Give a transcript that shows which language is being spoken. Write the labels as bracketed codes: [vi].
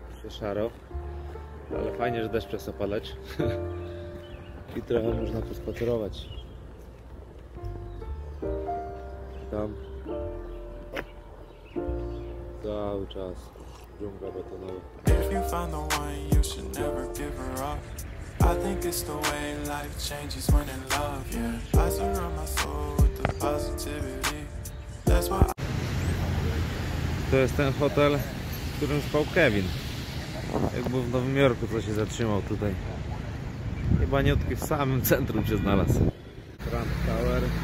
[pl] Szaro, ale fajnie, że deszcz przestał padać i trochę można pospacerować. Tam cały czas dżungla betonowa. [en] If you find the one, you should never give her up. I think it's the way life changes when in love, yeah. I surround my soul with the positivity. That's why [pl] to jest ten hotel, w którym spał Kevin. Jak był w Nowym Jorku, to się zatrzymał tutaj. Chyba niutki w samym centrum się znalazł. Trump Tower.